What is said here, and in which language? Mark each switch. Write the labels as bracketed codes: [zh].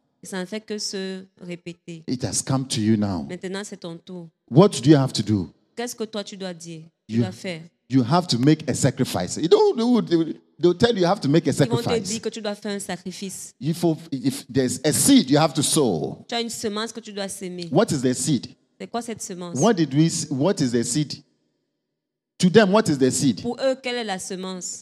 [fr] Ça ne fait que se répéter. [en] It has come to you now. [fr] Maintenant, c'est ton tour. [en] What do you have to do? [fr] Qu'est-ce que toi tu dois dire? Tu dois faire. [en] You have to make a sacrifice. You don't know. They'll tell you have to make a sacrifice. [fr] Ils vont te dire que tu dois faire un sacrifice. [en] If there's a seed, you have to sow. [fr] Tu as une semence que tu dois semer. [en] What is the seed? [fr] C'est quoi cette semence? [en] What is the seed? To them, what is the seed? [fr] Pour eux, quelle est la semence?